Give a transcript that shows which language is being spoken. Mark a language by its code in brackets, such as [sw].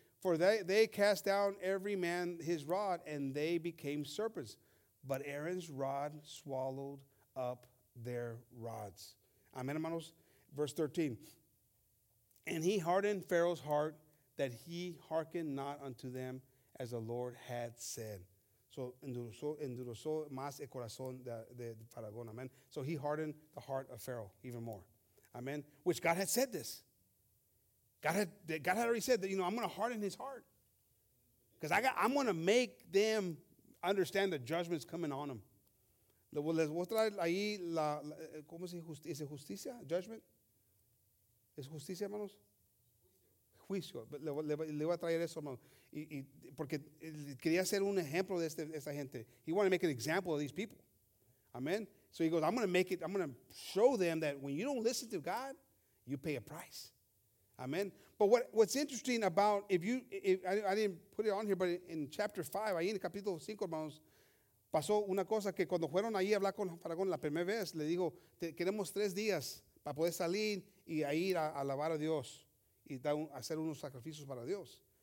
[en] For they cast down every man his rod, and they became serpents. But Aaron's rod swallowed up their rods. Amen, hermanos. Verse 13. And he hardened Pharaoh's heart, that he hearkened not unto them, as the Lord had said. [es] So endurezó más el corazón de Faraón, amen. [en] So he hardened the heart of Pharaoh even more, amen. Which God had said this. God had already said that, you know, I'm going to harden his heart. Because I'm going to make them understand the judgment's coming on them. [es] Les voy a traer ahí la, ¿cómo se dice? ¿Es justicia? ¿Judgment? ¿Es justicia, hermanos? Juicio. Le voy a traer eso, hermanos. Y porque quería hacer un ejemplo de esta gente. [en] He wanted to make an example of these people. Amen. So he goes, I'm going to show them that when you don't listen to God, you pay a price. [es] Amen. [en] But what's interesting about, I didn't put it on here, but in chapter 5, [es] ahí en el capítulo 5, hermanos, pasó una cosa que cuando fueron ahí a hablar con Faraón la primera vez, le dijo, queremos 3 días para poder salir y a ir a alabar a Dios y hacer unos sacrificios para Dios.